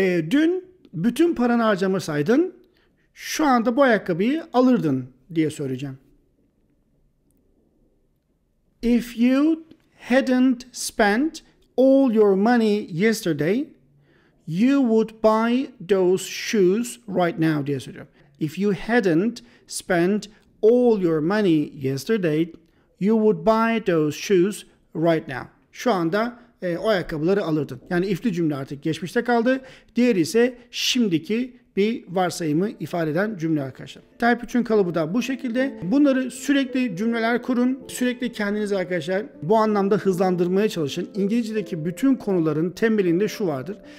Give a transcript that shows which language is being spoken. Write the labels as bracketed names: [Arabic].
[Turkish] Dün bütün paranı harcamasaydın, şu anda bu ayakkabıyı alırdın diye söyleyeceğim. [English] If you hadn't spent all your money yesterday, you would buy those shoes right now [Turkish] diye söylüyorum. [English] If you hadn't spent all your money yesterday, you would buy those shoes right now. [Turkish] Şu anda o ayakkabıları alırdın. Yani if'li cümle artık geçmişte kaldı. Diğeri ise şimdiki bir varsayımı ifade eden cümle arkadaşlar. Type 3'ün kalıbı da bu şekilde. Bunları sürekli cümleler kurun. Sürekli kendinizi arkadaşlar bu anlamda hızlandırmaya çalışın. İngilizce'deki bütün konuların temelinde şu vardır.